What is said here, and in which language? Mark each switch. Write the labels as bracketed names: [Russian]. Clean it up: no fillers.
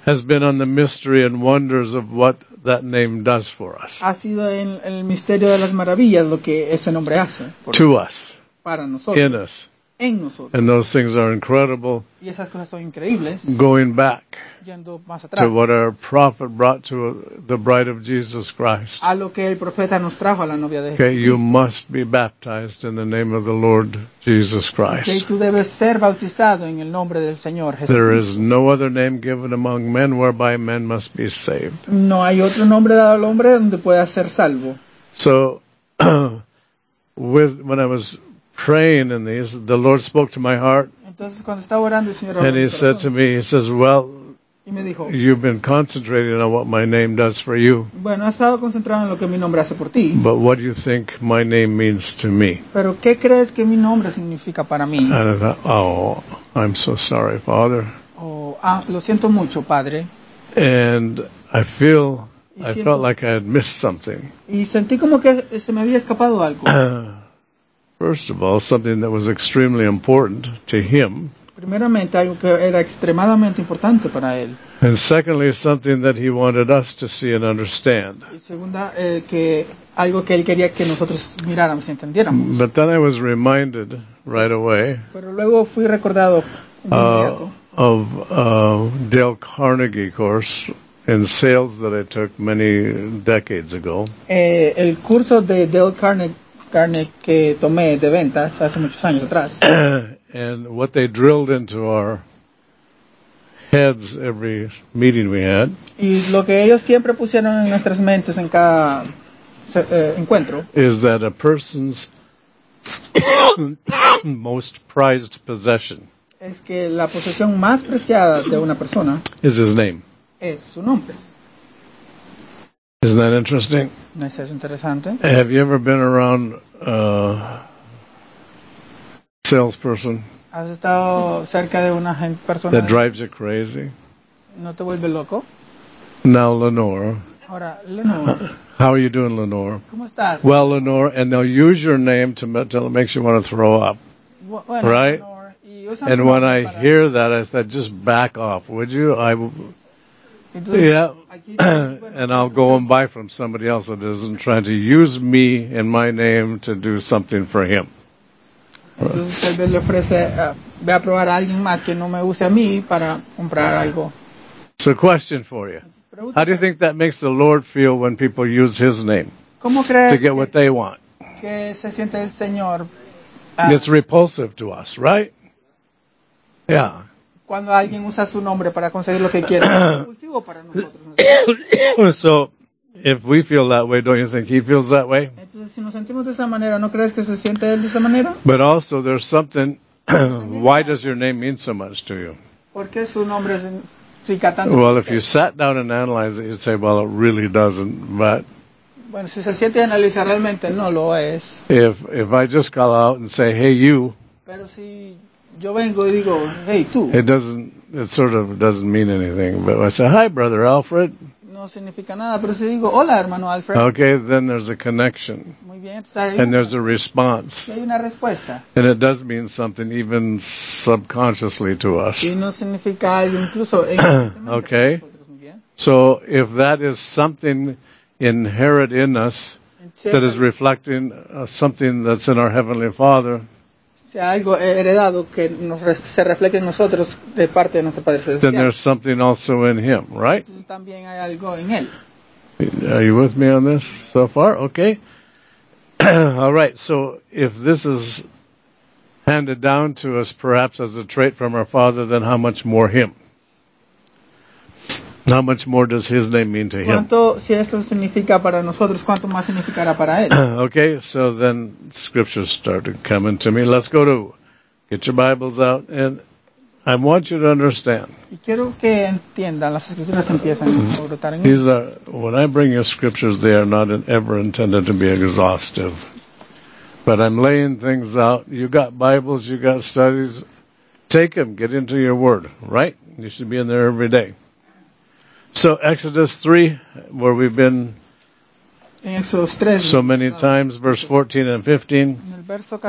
[English] has been on the mystery and wonders of what that name does for us. [Spanish] Ha sido en el misterio de las maravillas lo que ese nombre hace. [English] To us. [Spanish] Para nosotros. [English] In us. [Spanish] en nosotros. [English] And those things are incredible. [Spanish] Y esas cosas son increíbles. [English] Going back. [Spanish] Yendo más atrás. [English] To what our prophet brought to the bride of Jesus Christ. [Spanish] A lo que el profeta nos trajo a la novia de Jesucristo. [English] Okay, you must be baptized in the name of the Lord Jesus Christ. [Spanish] Okay, tú debes ser bautizado en el nombre del Señor Jesucristo. [English] There is no other name given among men whereby men must be saved. [Spanish] No hay otro nombre dado al hombre donde pueda ser salvo. [English] So, when I was praying in these, the Lord spoke to my heart. [Spanish] Entonces, cuando estaba orando, el Señor [English] and he [Spanish] corazón, [English] said to me, he says, well, [Spanish] y me dijo, [English] you've been concentrating on what my name does for you. [Spanish] Bueno, has estado concentrado en lo que mi nombre hace por ti. [English] But what do you think my name means to me? [Spanish] Pero, ¿qué crees que mi nombre significa para mí? [English] And I thought, oh, I'm so sorry, Father. [Spanish] Oh, lo siento mucho, Padre. [English] And I feel... I felt like I had missed something. [Spanish] Y sentí como que se me había escapado algo. [English] First of all, something that was extremely important to him. [Spanish] Primeramente, algo que era extremadamente importante para él. [English] And secondly, something that he wanted us to see and understand. [Spanish] Y segunda, que algo que él quería que nosotros miráramos y entendiéramos. [English] But then I was reminded right away. [Spanish] Pero luego fui recordado [English] of Dale Carnegie course. In sales that I took many decades ago. [Spanish] El curso de Dale Carnegie que tomé de ventas hace muchos años atrás. [English] And what they drilled into our heads every meeting we had. [Spanish] Y lo que ellos siempre pusieron en nuestras mentes en cada encuentro. [English] Is that a person's most prized possession. [Spanish] Es que la posesión más preciada de una persona. [English] Is his name. [Spanish] Es su nombre. [English] Isn't that interesting? [Spanish] ¿No es interesante? [English] Have you ever been around a salesperson? [Spanish] ¿Has estado cerca de una persona [English] that drives you crazy? [Spanish] ¿No te vuelve loco? [English] Now, Lenore. [Spanish] Ahora, Lenore. [English] How are you doing, Lenore? [Spanish] ¿Cómo estás? [English] Well, Lenore, and they'll use your name till it makes you want to throw up. [Spanish] Bueno, [English] right? Lenore. And when I hear that, I said, just back off, would you? [Spanish] Entonces, [English] yeah, and I'll go and buy from somebody else that isn't trying to use me and my name to do something for him. [Spanish] Entonces, tal vez le ofrece, voy a probar a alguien más que no me use a mí para comprar algo. [English] So, question for you. How do you think that makes the Lord feel when people use his name [Spanish] ¿cómo crees [English] to get what they want? [Spanish] Que se siente el Señor, [English] it's repulsive to us, right? Yeah. [Spanish] Cuando alguien usa su nombre para conseguir lo que quiere, es impulsivo para nosotros. [English] So, if we feel that way, don't you think he feels that way? [Spanish] Entonces, si nos sentimos de esa manera, ¿no crees que se siente él de esa manera? [English] But also, there's something. Why does your name mean so much to you? [Spanish] ¿Por qué su nombre significa tanto? [English] Well, if you sat down and analyzed it, you'd say, well, it really doesn't, but. [Spanish] Bueno, si se siente y analiza realmente, no lo es. [English] If I just call out and say, hey, you. [Spanish] Pero si yo vengo y digo, hey, tú. [English] It sort of doesn't mean anything. But I say, hi, brother Alfred. [Spanish] No significa nada, pero si digo, hola, hermano Alfred. [English] Okay, then there's a connection. [Spanish] Muy bien, entonces hay una. [English] And there's a response. [Spanish] Y hay una respuesta. [English] And it does mean something even subconsciously to us. [Spanish] Y no significa algo incluso. [English] Okay. So if that is something inherent in us that is reflecting something that's in our Heavenly Father. [Spanish] Si hay algo heredado que se refleje en nosotros de parte de nuestro Padre Celestial. [English] Then there's something also in him, right? [Spanish] Entonces, también hay algo en él. [English] Are you with me on this so far? Okay. All right, so if this is handed down to us perhaps as a trait from our Father, then how much more him? How much more does his name mean to him? [Spanish] ¿Cuánto, si esto significa para nosotros, cuánto más significará para él? [English] Okay, so then scriptures started coming to me. Let's go to, get your Bibles out, and I want you to understand. [Spanish] Y quiero que entiendan, las escrituras empiezan a brotar en [English] these are, when I bring you scriptures, they are not ever intended to be exhaustive. But I'm laying things out. You got Bibles, you got studies. Take them, get into your word, right? You should be in there every day. So Exodus 3, where we've been so many times, verse 14 and 15.